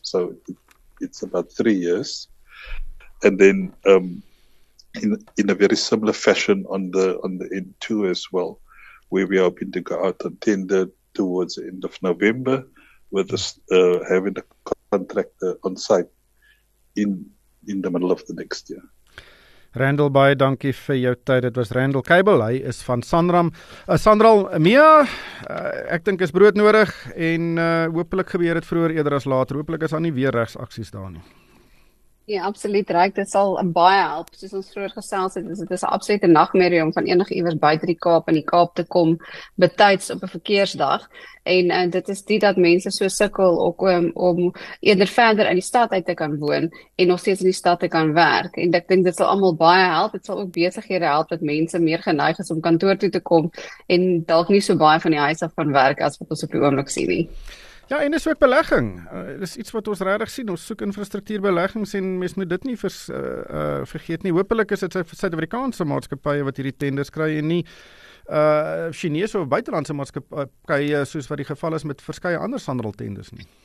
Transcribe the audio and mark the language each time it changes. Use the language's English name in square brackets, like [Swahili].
[English] So it's about 3 years. And then in a very similar fashion on the N2 as well, where we are hoping to go out on tender towards the end of November, with us having a contractor on site in the middle of the next year. [Afrikaans] Randall, baie dankie vir jou tyd. Dit was Randall Cable. Hy is van Sanram. Sandral, Mia, ek dink is brood nodig en hopelik gebeur dit vroeër eerder as later. Hopelik is daar nie weer regsaksies daar nie. Ja, absoluut reg. Dit sal baie help. Soos ons vroeër gesels het, dit is 'n absolute nagmerrie om van enige iewers buite die Kaap in die Kaap te kom betyds op 'n verkeersdag. En dit is die dat mense so sukkel ook om eerder verder in die stad uit te kan woon en nog steeds in die stad te kan werk. En ek dink dit sal almal baie help. Dit sal ook besighede help dat mense meer geneig is om kantoor toe te kom en dalk nie so baie van die huis af van werk as wat ons op die oomblik sien nie. Ja, en is ook belegging. Dis iets wat ons regtig sien. Ons soek infrastruktuurbeleggings en mens moet dit nie vergeet nie. Hoopelik is dit Suid-Afrikaanse maatskappye wat hierdie tenders kry en nie Chinese of buitelandse maatskappye soos wat die geval is met verskeie ander sandeltenders nie.